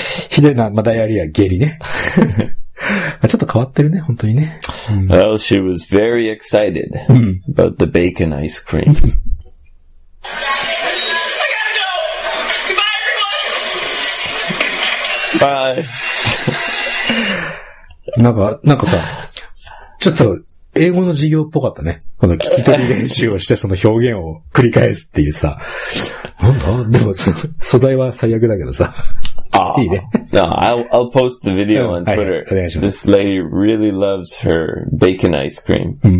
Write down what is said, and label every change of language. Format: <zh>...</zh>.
<ja>ひどいな、まあ、ダイアリア、下痢ね。ちょっと変わってるね、本当にね。</ja> <en>Well, she was very excited about the bacon ice cream. I gotta go! Goodbye, everyone! Bye!</en> <ja>なんかさ、ちょっと英語の授業っぽかったね。この聞き取り練習をしてその表現を繰り返すっていうさ。なんだ？でも、素材は最悪だけどさ。</ja> <en>No, I'll post the video on Twitter. This lady really loves her bacon ice cream.</en>